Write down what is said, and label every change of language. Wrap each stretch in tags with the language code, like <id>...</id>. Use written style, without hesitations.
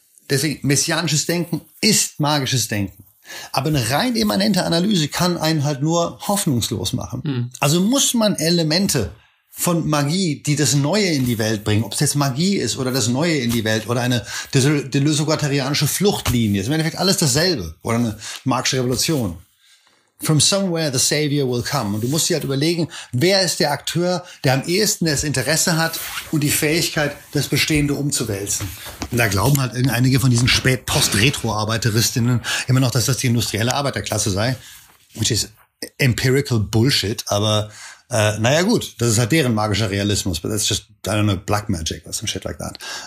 <de>Deswegen, messianisches Denken ist magisches Denken. Aber eine rein immanente Analyse kann einen halt nur hoffnungslos machen. Mhm. Also muss man Elemente von Magie, die das Neue in die Welt bringen, ob es jetzt Magie ist oder das Neue in die Welt oder eine deleuze-guattarianische Fluchtlinie, ist im Endeffekt alles dasselbe oder eine marxische Revolution.</de> <en>From somewhere the savior will come.</en> <de>Und du musst dir halt überlegen, wer ist der Akteur, der am ehesten das Interesse hat und die Fähigkeit, das Bestehende umzuwälzen. Und da glauben halt einige von diesen Spät-Post-Retro-Arbeiteristinnen immer noch, dass das die industrielle Arbeiterklasse sei.</de> <en>Which is empirical bullshit,</en> <de>aber naja gut, das ist halt deren magischer Realismus,</de> <en>but that's just, I don't know, black magic or some shit like that.</en>